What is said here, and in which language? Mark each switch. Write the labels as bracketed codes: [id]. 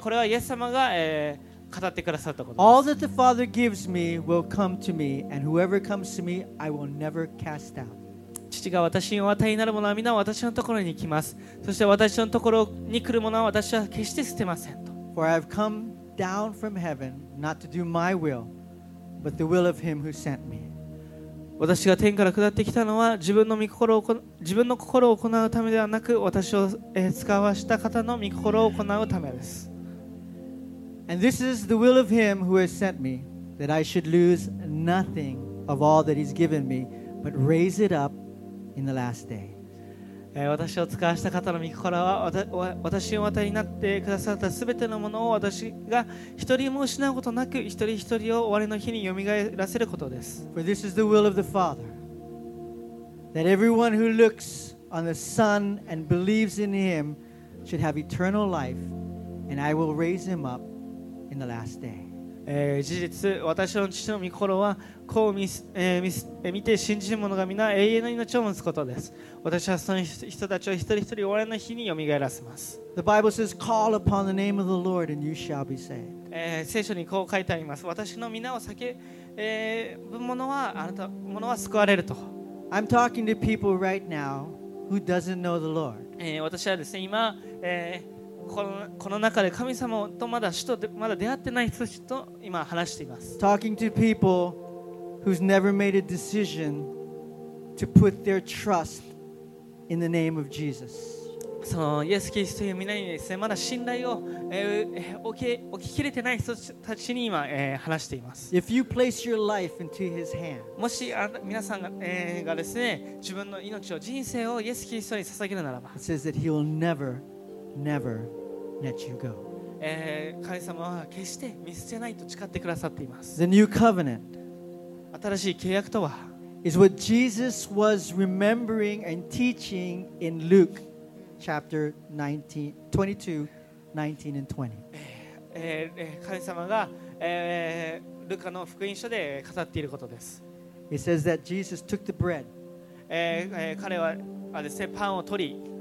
[ja] これはイエス様が、語ってくださったことです。 [en] All that the Father gives me will come to me, and whoever comes to me, I will never cast out. [ja] 父が私にお与えになるものは皆私のところに来ます。そして私のところに来るものは私は決して捨てませんと。 [en] For I have come down from heaven not to do my will, but the will of him who sent me. [ja] 私が天から下ってきたのは自分の心を行うためではなく、私を使わした方の御心を行うためです。 [en] And this is the will of him who has sent me, that I should lose nothing of all that he's given me, but raise it up in the last day. [ja] 私を使わした方の御心は、私を与えになってくださったすべてのものを私が一人も失うことなく一人一人を終わりの日によみがえらせることです。 [en] For this is the will of the Father, that everyone who looks on the Son and believes in him should have eternal life, and I will raise him up in the last day. [ja] 事実、私の父の御心は、こう 見て信じる者が皆永遠の命を持つことです。私はその人たちを一人一人終わりの日によみがえらせます。 [en] The Bible says, call upon the name of the Lord and you shall be saved. [ja] 聖書にこう書いてあります。私の皆を叫ぶ者は、あなた者は救われると。 [en] I'm talking to people right now who doesn't know the Lord. [ja] 私はですね、今、この中で神様とまだ主とまだ出会ってない人と今話しています。 [en] Talking to peopleWho's never made a decision to put their trust in the name of Jesus? [ja] そのイエス・キリストという皆にですね、まだ信頼を置ききれてない人たちに今、話しています。 [en] If you place your life into His hand, [ja] もし皆さんが、がですね、自分の命を人生をイエス・キリストに捧げるならば、 [en] It says that He will never, never let you go. [ja] 神様は決して見捨てないと誓ってくださっています。 [en] The new covenant. [ja] 新しい契約とは、 [en] is what Jesus was remembering and teaching in Luke chapter 19, 22, 19 and 20. [ja] 神様が、ルカの福音書で語っていることです。 [en] It says that Jesus took the bread. [ja] 彼はあれですね、パンを取り、